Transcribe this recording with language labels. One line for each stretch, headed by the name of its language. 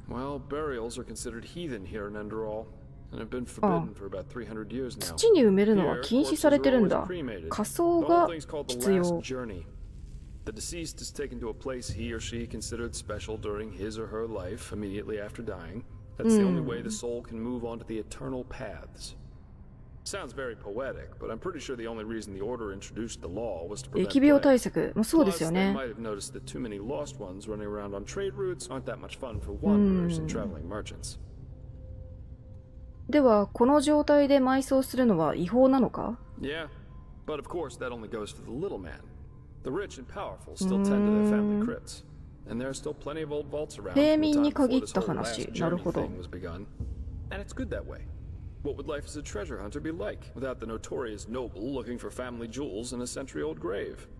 English: Well, burials are considered heathen here in Underall, and have been forbidden for about 300 years now.
Japanese: 土に埋めるのは禁止されてるんだ。火葬が必要。
English: The deceased is taken to a place he or she considered special during his or her life immediately after dying. That's the only way the soul can move on to the eternal paths. Sounds very poetic, but I'm pretty sure the only reason the order introduced the law was to prevent.
Japanese: 疫病対策、まあそうですよね。
English: Plus, they might have noticed that too many lost ones running around on trade routes aren't that much fun for wanderers and traveling merchants.
Japanese: では、この状態で埋葬するのは違法なのか？
English: Yeah, but of course that only goes for the little man. The rich and powerful still tend to their family crypts. And there are still plenty of old vaults around.
Japanese: 平民に限った話。なるほど。
English: And it's good that way. What would life as a treasure hunter be like without the notorious noble looking for family jewels in a century-old grave?